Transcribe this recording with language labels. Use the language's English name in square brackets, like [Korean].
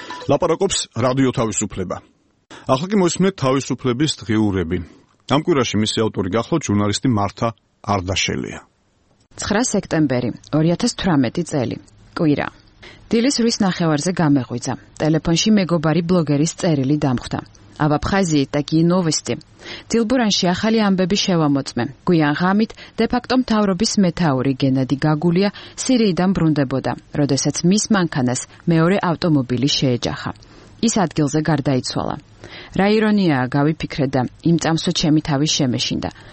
[Georgian] ლაპარაკობს რადიო თავისუფლება. ახლა კი მოსმენთ თავისუფლების დღიურები. ამ კვირაში მისი ავტორი გახლავთ ჟურნალისტი მართა არდაშელია. 9 სექტემბერი 2018 წელი. კვირა. დილის რუის ნახევარზე გამეღვიძა. ტელეფონში მეგობარი ბლოგერის წერილი დამხვდა. [Russian] Об Абхазии такие новости. [Georgian] Тилбуранში ახალი ამბები შევამოწმე. გვიან ღამით დეფაქტო მთავრობის მეთაური გენადი გაგულია სირიიდან ბრუნდებოდა, როდესაც მის მანქანას მეორე ავტომობილი შეეჯახა. ის ადგილზე გარდაიცვალა. რა ირონიაა, გავიფიქრე და იმ წამსო ჩემი თავი შემეშინდა.